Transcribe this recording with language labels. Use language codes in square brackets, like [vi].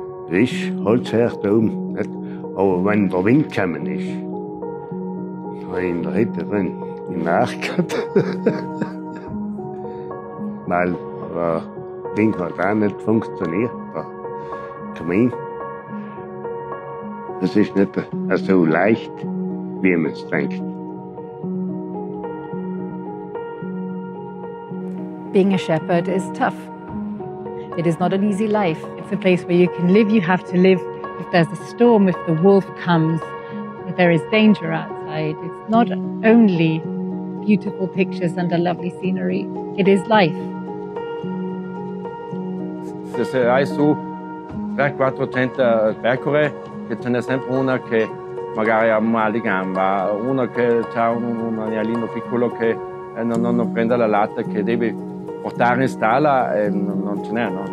[de] Risch, Holzherd oben, nicht? Aber wenn der Wind gekommen ist, habe ich in der Hütte drin nachgehört. Weil das Ding hat auch nicht funktioniert, der Kamin. Es ist nicht so leicht, wie man es denkt. [en] Being a shepherd is tough. It is not an easy life. It's a place where you can live, you have to live if there's a storm, if the wolf comes, if there is danger outside, it's not only beautiful pictures and a lovely scenery, it is life. [it] Se hai su 300-400 pecore, che ce n'è sempre una che magari ha mal di gamba, una che ha un agnellino piccolo che non prende la latte, che deve portare in stalla e non ce n'è, no?